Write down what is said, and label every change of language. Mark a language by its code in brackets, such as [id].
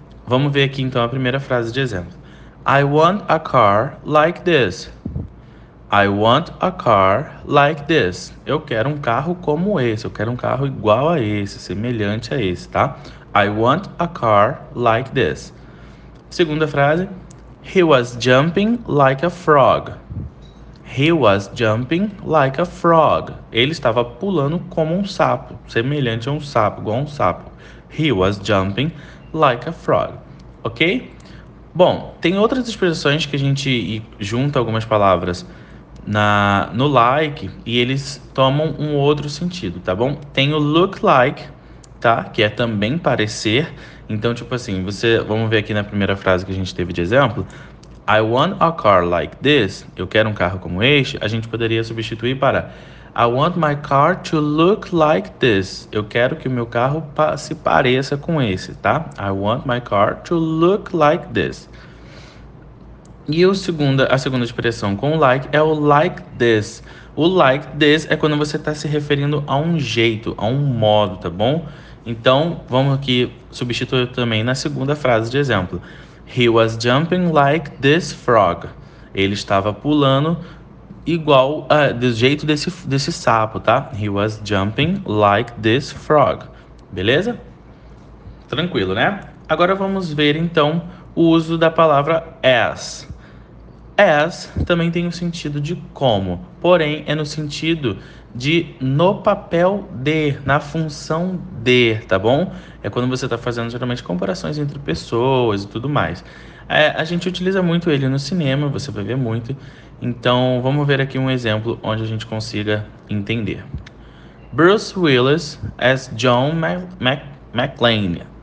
[pt] Vamos ver aqui então a primeira frase de exemplo. [en] I want a car like this. I want a car like this. [pt] Eu quero um carro como esse. [en] Eu quero um carro igual a esse, semelhante a esse, tá? I want a car like this. [pt] Segunda frase. [en] He was jumping like a frog. He was jumping like a frog. [pt] Ele estava pulando como um sapo, semelhante a um sapo, igual a um sapo. [en] He was jumping like a frog. Ok? [pt] Bom, tem outras expressões que a gente junta algumas palavras no like e eles tomam um outro sentido, tá bom? Tem o look like, tá? Que é também parecer. Então, tipo assim, vamos ver aqui na primeira frase que a gente teve de exemplo. [en] I want a car like this. [pt] Eu quero um carro como este. A gente poderia substituir para [en] I want my car to look like this. [pt] Eu quero que o meu carro se pareça com esse, tá? [en] I want my car to look like this. [pt] E a segunda expressão com like é o like this. O like this é quando você está se referindo a um jeito, a um modo, tá bom? Então, vamos aqui substituir também na segunda frase de exemplo. [en] He was jumping like this frog. [pt] Ele estava pulando igual do jeito desse sapo, tá? [en] He was jumping like this frog. [pt] Beleza? Tranquilo, né? Agora vamos ver então o uso da palavra as. As também tem o sentido de como, porém é no sentido de no papel de, na função de, tá bom? É quando você está fazendo geralmente comparações entre pessoas e tudo mais. É, a gente utiliza muito ele no cinema, você vai ver muito. Então, vamos ver aqui um exemplo onde a gente consiga entender. [en] Bruce Willis as John McClane.